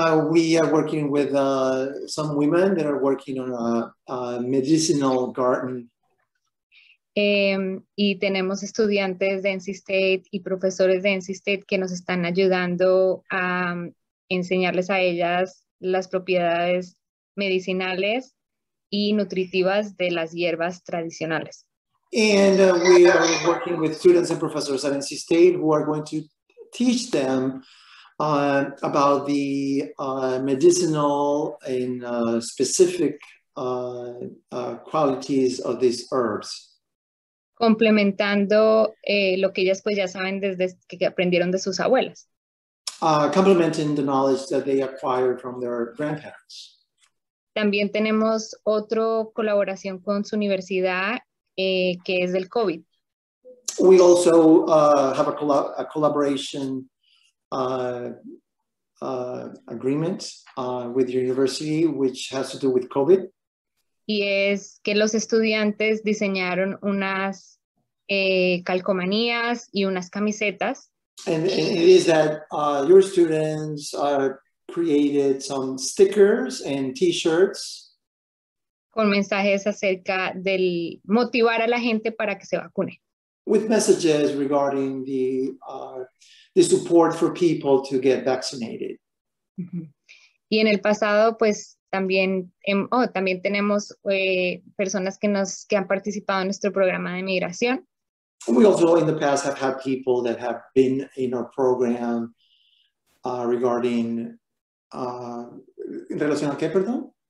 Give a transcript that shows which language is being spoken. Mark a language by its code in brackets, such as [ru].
[en] We are working with some women that are working on a medicinal garden. [es] Y tenemos estudiantes de NC State y profesores de NC State que nos están ayudando a enseñarles a ellas las propiedades medicinales y nutritivas de las hierbas tradicionales. [en] And we are working with students and professors at NC State who are going to teach them about the medicinal and specific qualities of these herbs. [es] Complementando lo que ellas pues ya saben desde que aprendieron de sus abuelas. [en] Complementing the knowledge that they acquired from their grandparents. [es] También tenemos otra colaboración con su universidad que es del COVID. [en] We also have a collaboration agreement with your university which has to do with COVID. [es] Y es que los estudiantes diseñaron unas calcomanías y unas camisetas. [en] And it is that your students created some stickers and t-shirts. [es] Con mensajes acerca del motivar a la gente para que se vacune. [en] With messages regarding the support for people to get vaccinated. [es] Y en el pasado, pues también, también tenemos personas que han participado en nuestro programa de migración. [en] We also in the past have had people that have been in our program regarding, [es] ¿relación a qué, perdón?